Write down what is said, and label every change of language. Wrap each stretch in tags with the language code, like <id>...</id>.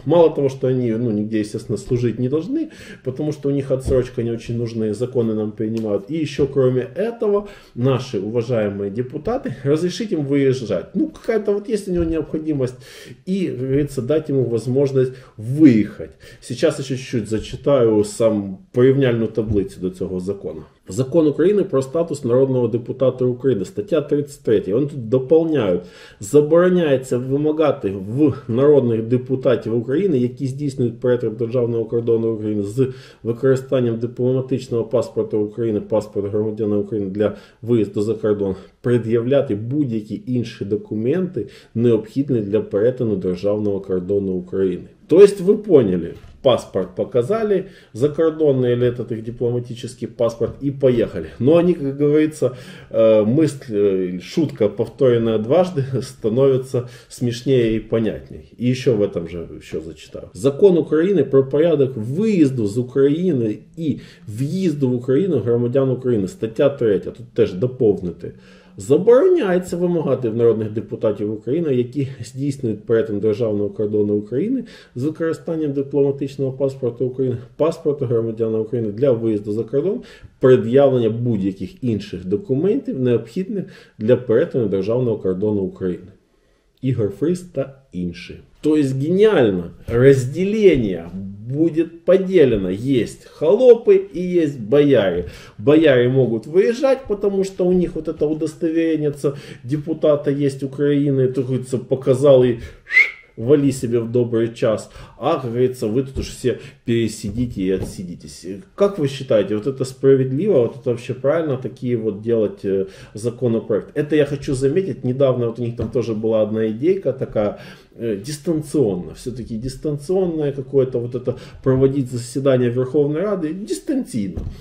<ru>Мало того, что они, ну, нигде, естественно, служить не должны, потому что у них отсрочка, не очень нужные законы нам принимают. И еще, кроме этого, наши уважаемые депутаты, разрешить им выезжать. Ну, какая-то вот есть у него необходимость. И, как говорится, дать ему возможность выехать. Сейчас я чуть-чуть зачитаю сам</ru> <uk>порівняльну таблицу до цього закону. Закон України про статус народного депутата України, стаття 33, вони тут доповняють, забороняється вимагати в народних депутатів України, які здійснюють перетин державного кордону України з використанням дипломатичного паспорта України, паспорта громадянина України для виїзду за кордон, пред'являти будь-які інші документи, необхідні для перетину державного кордону України. Тобто ви поняли?</uk> <ru>Паспорт показали, закордонный или этот их дипломатический паспорт, и поехали. Но они, как говорится, мысль, шутка, повторенная дважды, становится смешнее и понятнее. И еще в этом же еще зачитаю. Закон Украины про порядок выезду из Украины и въезду в Украину громадян Украины.</ru> <uk>Стаття 3, тут теж доповнити. Забороняється вимагати в народних депутатів України, які здійснюють перетин державного кордону України з використанням дипломатичного паспорта України, паспорта громадянина України для виїзду за кордон, пред'явлення будь-яких інших документів, необхідних для перетину державного кордону України. Ігор Фріс та інші. Тобто геніально, розділення буде поділено. Є холопи і є бояри. Бояри можуть виїжджати, тому що у них</uk> <ru>вот это</ru> <uk>удостоверення, це депутата є України, тому це показали, вали себе в добрий час.</uk> <ru>А, как говорится, вы тут уж все пересидите и отсидитесь. Как вы считаете, вот это справедливо, вот это вообще правильно, такие вот делать законопроект? Это я хочу заметить, недавно вот у них там тоже была одна идейка такая, дистанционно, все-таки дистанционное какое-то вот это проводить заседание Верховной Рады, дистанционно.</ru>